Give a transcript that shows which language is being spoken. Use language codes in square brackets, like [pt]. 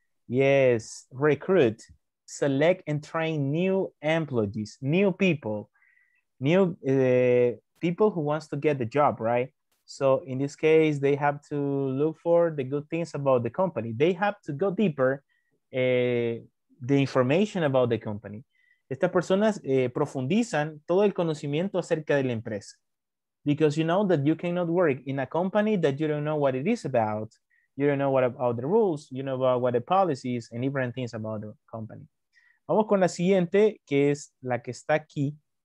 [en] Yes, recruit, select, and train new employees, new people, new people who wants to get the job, right? So in this case, they have to look for the good things about the company. They have to go deeper, the information about the company. [es] Estas personas profundizan todo el conocimiento acerca de la empresa. [en] Because you know that you cannot work in a company that you don't know what it is about. You don't know what about the rules, you know about what the policies and different things about the company. [es] Vamos con la siguiente, que es la que está aquí.